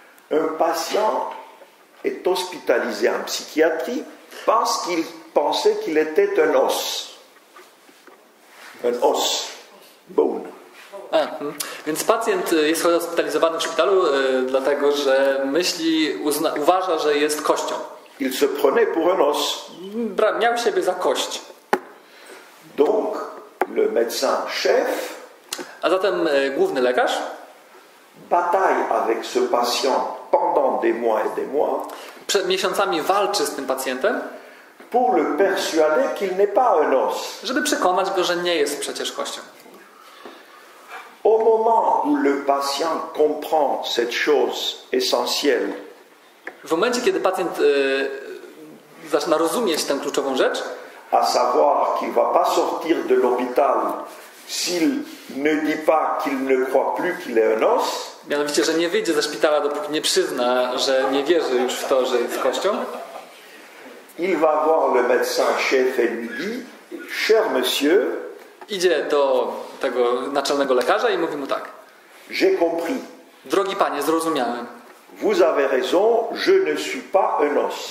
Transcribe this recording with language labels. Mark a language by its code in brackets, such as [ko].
[fr] Un patient est hospitalisé en psychiatrie parce qu'il pensait qu'il était un os. Un os. Bone. [pl] Więc pacjent jest hospitalizowany w szpitalu dlatego, że myśli, uważa, że jest kością. [fr] Il se prenait pour un os. [pl] Miał siebie za kość. [fr] Donc, le médecin chef, [pl] a zatem główny lekarz [fr] bataille avec ce patient pendant des mois et des mois, [pl] przed miesiącami walczy z tym pacjentem, [fr] pour le persuader qu'il n'est pas un os. [pl] Żeby przekonać go, że nie jest przecież kością. [fr] Au moment où le patient comprend cette chose essentielle, [pl] w momencie, kiedy pacjent zaczyna rozumieć tę kluczową rzecz, [fr] à savoir qu'il ne va pas sortir de l'hôpital s'il ne dit pas qu'il ne croit plus qu'il est un os. [pl] Mianowicie, że nie wyjdzie ze szpitala, dopóki nie przyzna, że nie wierzy już w to, że jest kością. [fr] Il va voir le médecin chef et lui dit, cher monsieur, [pl] idzie do tego naczelnego lekarza i mówi mu tak. [fr] J'ai compris. [pl] Drogi panie, zrozumiałem. [fr] Vous avez raison, je ne suis pas un os.